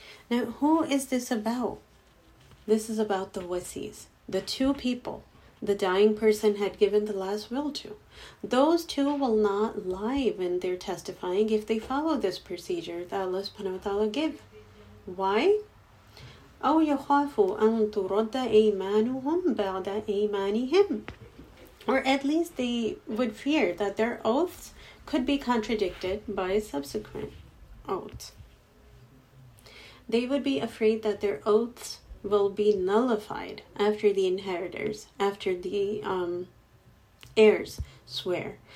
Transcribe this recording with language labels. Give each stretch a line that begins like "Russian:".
English: Now, who is this about? This is about the wasis, the two people the dying person had given the last will to. Those two will not lie when they're testifying if they follow this procedure that Allah subhanahu wa ta'ala give. Why?
Arabic: أَوْ يَخَافُوا أَن تُرَدَّ أَيْمَانُهُمْ بَعْدَ أَيْمَانِهِمْ.
English: Or at least they would fear that their oaths could be contradicted by a subsequent oath. They would be afraid that their oaths will be nullified after the inheritors, after the heirs swear.